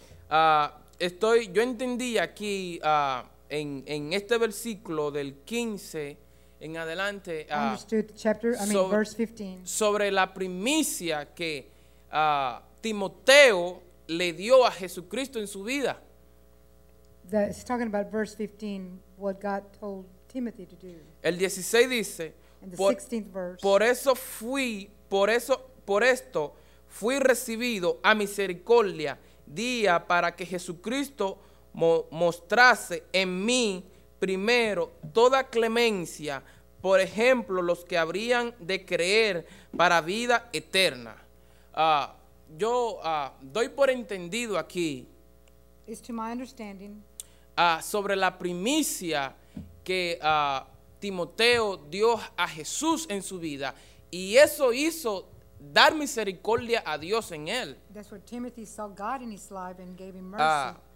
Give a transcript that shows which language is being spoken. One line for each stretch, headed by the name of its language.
Spanish: Yo entendí aquí en este versículo del 15 en adelante,
English: verse 15.
Spanish: Sobre la primicia que Timoteo le dio a Jesucristo en su vida.
English: It's talking about verse 15, what God told Timothy to do.
Spanish: El 16 dice,
English: the 16th verse,
Spanish: por esto fui recibido a misericordia día para que Jesucristo mostrase en mí primero toda clemencia, por ejemplo, los que habrían de creer para vida eterna. Doy por entendido aquí.
English: It's to my understanding.
Spanish: Sobre la primicia que Timoteo dio a Jesús en su vida, y eso hizo dar misericordia a Dios en él.
English: That's what Timothy saw God in his life and gave him mercy.